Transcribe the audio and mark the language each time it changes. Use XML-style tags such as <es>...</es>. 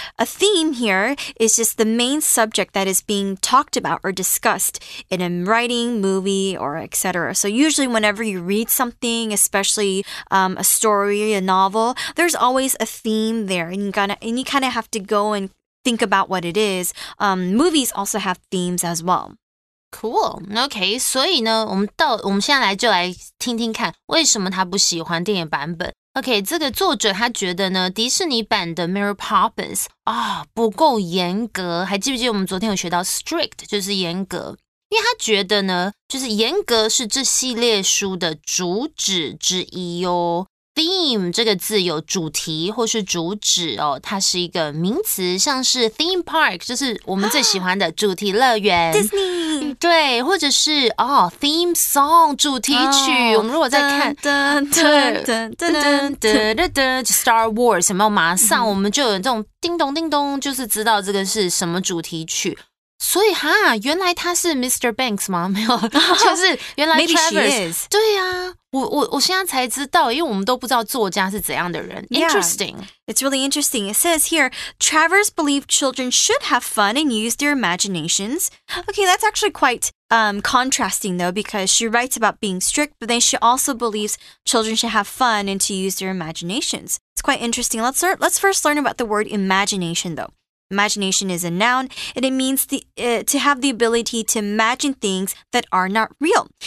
<en>A theme here is just the main subject that is being talked about or discussed in a writing, movie, or et cetera. So usually whenever you read something, especially a story, a novel, there's always a theme there, and you kind of have to go and think about what it is. Movies also have themes as well. Cool, OK,</en> <zh>所以呢我们现在来就来听听看为什么他不喜欢电影版本。 OK, 这个作者他觉得呢迪士尼版的 Mary Poppins 啊、哦、不够严格。还记不记得我们昨天有学到 strict 就是严格，因为他觉得呢就是严格是这系列书的主旨之一哦。 theme 这个字有主题或是主旨哦，它是一个名词，像是 theme park 就是我们最喜欢的主题乐园</zh> <en>Disney。</en> <zh>对，或者是哦 ，theme song 主题曲。 Oh, 我们如果在看，噔噔噔噔噔噔噔噔 ，Star Wars 有没有？马上我们就有这种叮咚叮咚，就是知道这个是什么主题曲。所以哈，原来他是 Mr. Banks 吗？没有，就是原来 Travers 。对呀、啊，我现在才知道，因为我们都不知道作家是怎样的人。</zh> <en>Interesting. Yeah, it's really interesting. It says here, Travers believe children should have fun and use their imaginations. Okay, that's actually quite contrasting though, because she writes about being strict, but then she also believes children should have fun and to use their imaginations. It's quite interesting. Let's first learn about the word imagination though. Imagination is a noun, and it means to have the ability to imagine things that are not real.</en>